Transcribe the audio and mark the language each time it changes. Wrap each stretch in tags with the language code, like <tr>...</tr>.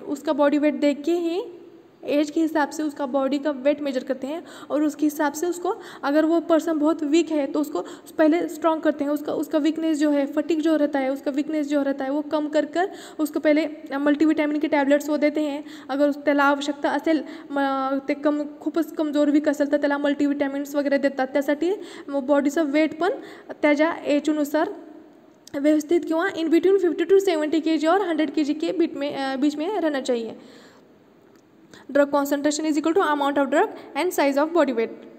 <hi>उसका body weight देख के ही एज के हिसाब से उसका बॉडी का वेट मेजर करते हैं, और उसके हिसाब से उसको अगर वो पर्सन बहुत वीक है तो उसको पहले स्ट्रांग करते हैं. उसका वीकनेस जो है, फटिक जो रहता है, उसका वीकनेस जो रहता है वो कम कर उसको पहले मल्टीविटामिन के टैबलेट्स वो देते हैं.</hi> <mr>अगर त्याला आवश्यकता असेल ते कम खूपच कमजोर वीक असेल तर त्याला मल्टीविटॅमिन्स वगैरे देतात. त्यासाठी बॉडीचं वेट पण त्याच्या एजनुसार व्यवस्थित किंवा इन बिटवीन 50 to 70 kg</mr> <hi>और 100 kg के बीच में रहना चाहिए.</hi> <en>Drug concentration is equal to amount of drug and size of body weight.</en>